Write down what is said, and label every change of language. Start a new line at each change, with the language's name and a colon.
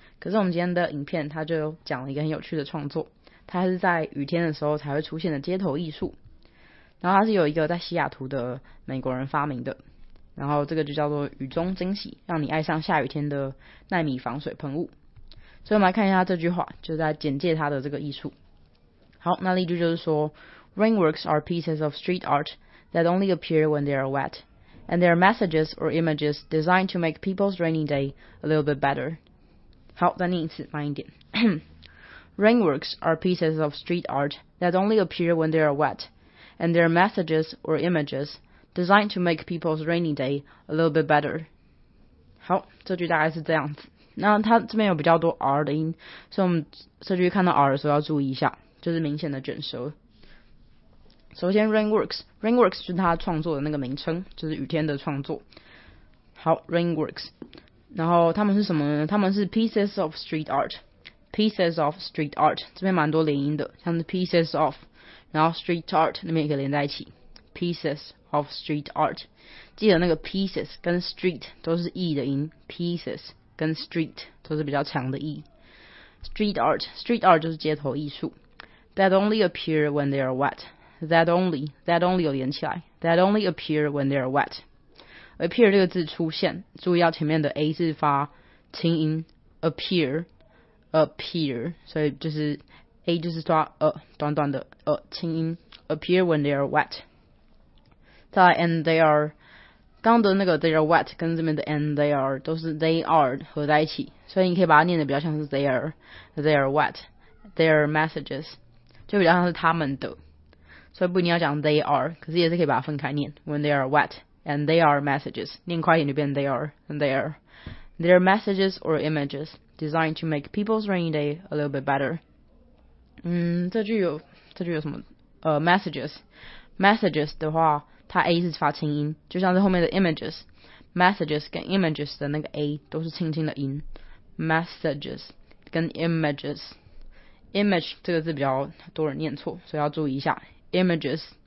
Chinese: 可是我们今天的影片，它就讲了一个很有趣的创作，它是在雨天的时候才会出现的街头艺术。然后它是有一个在西雅图的美国人发明的，然后这个就叫做雨中惊喜，让你爱上下雨天的耐米防水喷雾。所以我们来看一下这句话，就在简介它的这个艺术。好，那例句就是说
English: ，Rainworks are pieces of street art that only appear when they are wet, and they are messages or images designed to make people's rainy day a little bit better。
Chinese: 好，再念一次，慢一点。
English: Rainworks are pieces of street art that only appear when they are wet, and they are messages or images designed to make people's rainy day a little bit better。
Chinese: 好，这句大概是这样子。那它这边有比较多 R 的音，所以我们这句看到 R 的时候要注意一下。就是明显的卷舌。首先 Rainworks 是他创作的那个名称，就是雨天的创作。好， Rainworks， 然后他们是什么呢？他们是
English: pieces of street art，
Chinese: pieces of street art， 这边蛮多连音的，像是 pieces of， 然后 street art 那边也可以连在一起， pieces of street art， 记得那个 pieces 跟 street 都是 e 的音， pieces 跟 street 都是比较强的 e， street art 就是街头艺术。
English: That only appear when they are wet. That only
Chinese: 有连起来。
English: That only appear when they are wet.
Chinese: Appear 这个字出现，注意到前面的 a 是发轻音 appear， 所以就是 a 就是抓短短的轻音 appear when they are wet。再来 and they are， 刚的那个 they are wet 跟这边的 and they are 都是 they are 合在一起，所以你可以把它念的比较像是 they are wet， their messages。就比较像是他们的，所以不一定要讲
English: they are，
Chinese: 可是也是可以把它分开念
English: when they are wet and they are messages，
Chinese: 念快一点就变
English: they are and they are， they are messages or images designed to make people's rainy day a little bit better。
Chinese: 这句有什么messages 的话，它 a 是发轻音，就像是后面的 images， messages 跟 images 的那个 a 都是轻轻的音， messages 跟 imagesimage 这个字比较多人念错，所以要注意一下 images